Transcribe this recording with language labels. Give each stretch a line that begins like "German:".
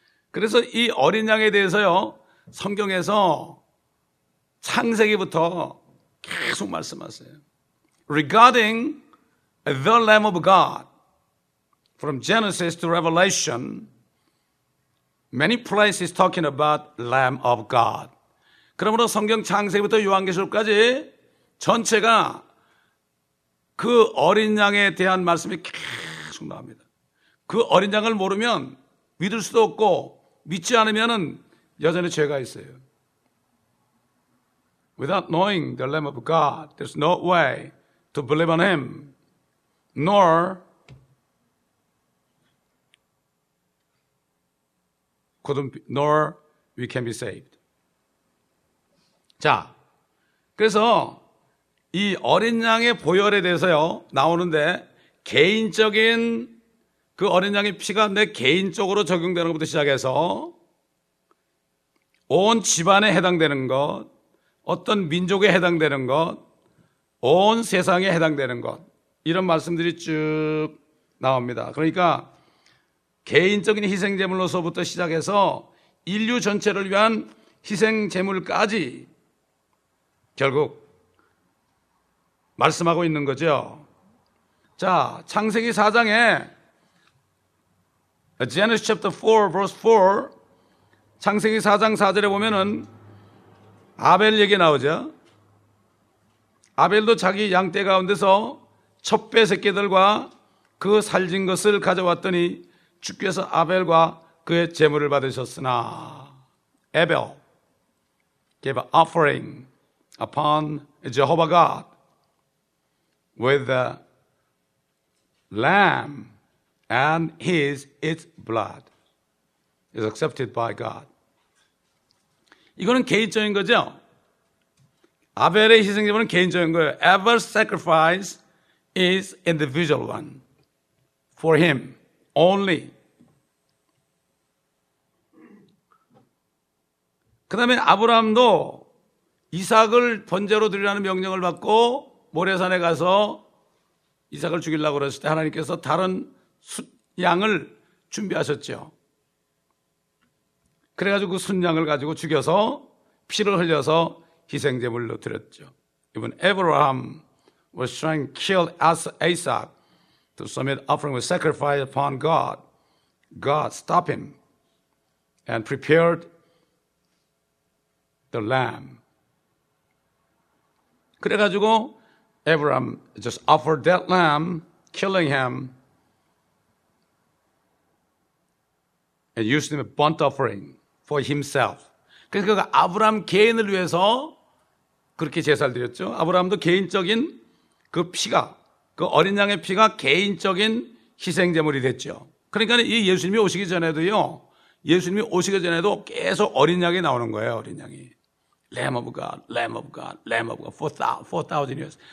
Korean: 그래서 이 어린 양에 대해서요, 성경에서 창세기부터 계속 말씀하세요.
English: Regarding the Lamb of God, from Genesis to Revelation, many places talking about Lamb of God.
Korean: 그러므로 성경 창세기부터 요한계시록까지 전체가 그 어린 양에 대한 말씀이 계속 나옵니다. 그 어린 양을 모르면 믿을 수도 없고 믿지 않으면은 여전히 죄가 있어요.
English: Without knowing the Lamb of God, there's no way to believe on Him, nor couldn't be, nor we can be saved.
Korean: 자, 그래서 이 어린 양의 보혈에 대해서요, 나오는데, 개인적인 그 어린 양의 피가 내 개인적으로 적용되는 것부터 시작해서, 온 집안에 해당되는 것, 어떤 민족에 해당되는 것, 온 세상에 해당되는 것, 이런 말씀들이 쭉 나옵니다. 그러니까, 개인적인 희생제물로서부터 시작해서 인류 전체를 위한 희생제물까지 결국 말씀하고 있는 거죠. 자, 창세기 4장에
English: Genesis chapter 4 verse 4
Korean: 창세기 4장 4절에 보면은 아벨 얘기 나오죠. 아벨도 자기 양떼 가운데서 첫배 새끼들과 그 살진 것을 가져왔더니 주께서 아벨과 그의 제물을 받으셨으나
English: Abel gave an offering upon Jehovah God with the lamb and his its blood is accepted by God.
Korean: 이거는 개인적인 거죠. 아벨의 희생 제물은 개인적인 거예요.
English: Abel's sacrifice is individual one for him only.
Korean: 그 다음에 아브라함도 이삭을 번제로 드리라는 명령을 받고 모래산에 가서 이삭을 죽이려고 그랬을 때 하나님께서 다른 순양을 준비하셨죠. 그래가지고 그 순양을 가지고 죽여서 피를 흘려서 희생제물로 드렸죠.
English: Even Abraham was trying to kill Isaac to submit offering with sacrifice upon God. God stopped him and prepared the lamb. 그래가지고 Abraham just offered that lamb, killing him, and used him a burnt offering for himself.
Korean: 그래서 그 아브라함 개인을 위해서 그렇게 제사를 드렸죠. 아브라함도 개인적인 그 피가, 그 어린 양의 피가 개인적인 희생제물이 됐죠. 그러니까 이 예수님이 오시기 전에도요, 예수님이 오시기 전에도 계속 어린 양이 나오는 거예요, 어린 양이.
English: Lamb of God, Lamb of God, Lamb of God, 4,000 years.